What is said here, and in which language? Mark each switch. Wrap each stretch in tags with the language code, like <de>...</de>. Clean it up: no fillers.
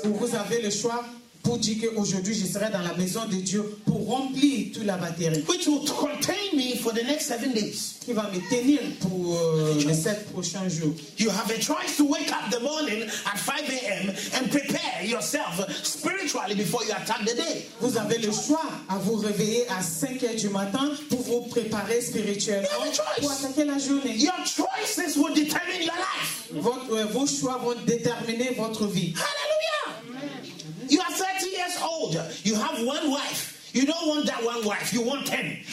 <fr>Ou vous avez le choix pour dire que aujourd'hui je serai dans la maison de Dieu pour remplir toute la batterie.</fr> <en>Which will contain me for the next 7 days.</en> <fr>Qui va me tenir pour les 7 prochains jours.</fr> <en>You have a choice to wake up the morning at 5 a.m. and prepare yourself spiritually before you attack the day.</en> <fr>Vous avez le choix à vous réveiller à 5 heures du matin pour vous préparer spirituellement pour attaquer la journée.</fr> <en>Your choices will determine your life.</en> <fr>Vos choix vont déterminer votre vie.</fr> <en>Hallelujah. You are 30 years old. You have one wife. You don't want that one wife. You want 10.</en>